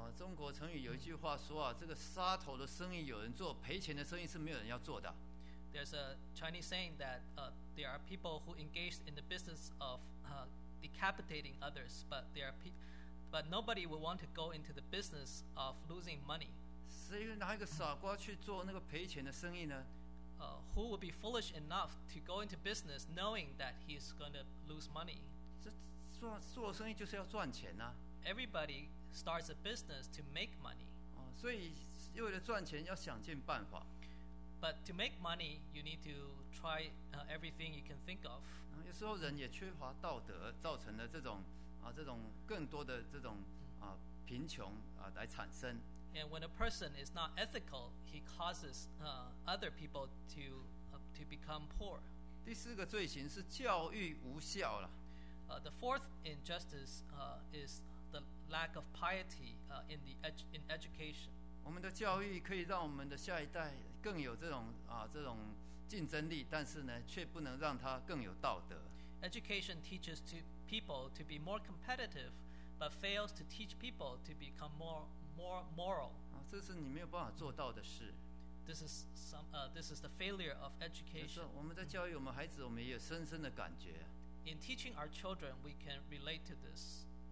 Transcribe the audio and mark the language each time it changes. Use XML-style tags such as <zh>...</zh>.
<zh>中国成语有一句话说啊，这个杀头的生意有人做，赔钱的生意是没有人要做的。</zh> <en>There's a Chinese saying that there are people who engage in the business of decapitating others, but there are but nobody would want to go into the business of losing money.</en> <zh>谁拿一个傻瓜去做那个赔钱的生意呢？</zh> <en>Who would be foolish enough to go into business knowing that he's going to lose money?</en> <zh>做生意就是要赚钱啊。</zh> <en>Everybody starts a business to make money.</en> <zh>所以为了赚钱要想尽办法。</zh> <en>But to make money, you need to try everything you can think of.</en> <zh>有时候人也缺乏道德，造成了这种更多的这种贫穷来产生。</zh> <en>And when a person is not ethical, he causes other people to become poor.</en> <zh>第四个罪行是教育无效了。</zh> <en>The fourth injustice is the lack of piety in education.</en> <zh>我们的教育可以让我们的下一代更有这种竞争力，但是呢，却不能让他更有道德。</zh> <en>Education teaches people to be more competitive, but fails to teach people to become more moral.</en> <zh>这是你没有办法做到的事。</zh> <en>This is the failure of education.</en> <zh>我们在教育我们孩子，我们也有深深的感觉。</zh> <en>In teaching our children, we can relate to this.</en>